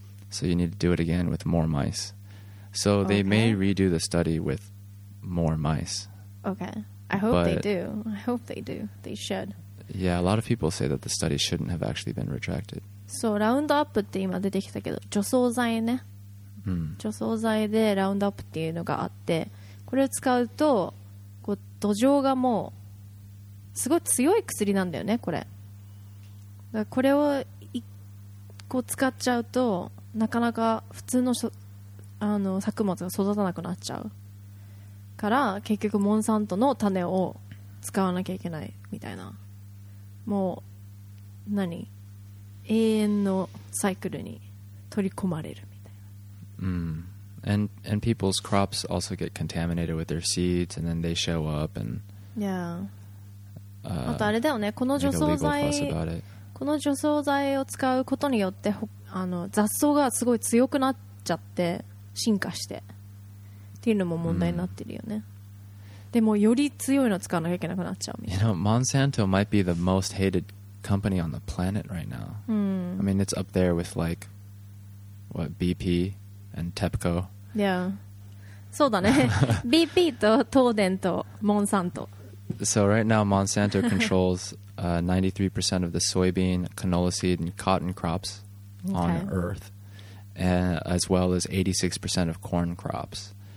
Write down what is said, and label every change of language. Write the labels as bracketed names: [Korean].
[English] So you need to do it again with more mice. So they may redo the study with more mice. Okay. I hope they do. They should. Yeah, a lot of people say that the study shouldn't have actually been retracted. [Japanese] So, Roundup って今出てきたけど、除草剤ね。除草剤で Roundup っていうのがあって、これを使うと、こう土壌がもう、すごい強い薬なんだよね、これ。だからこれを一個使っちゃうと、なかなか普通の、作物が育たなくなっちゃう。から結局モンサントの種を使わなきゃいけないみたいな、もう何永遠のサイクルに取り込まれるみたいな。 [English] And people's crops also get contaminated with their seeds and then they show up and [Japanese] yeah. あとあれだよね、この除草剤を使うことによって、雑草がすごい強くなっちゃって、進化してっていうのも問題になってるよね。でもより強いのを使わなきゃいけなくなっちゃうみたいな。 [English] You know, Monsanto might be the most hated company on the planet right now. I mean, it's up there with like, what, BP and TEPCO. [Japanese] Yeah. そうだね。BP と東電とモンサント。 [English] So right now, Monsanto controls 93% of the soybean, canola seed, and cotton crops on Earth, as well as 86% of corn crops.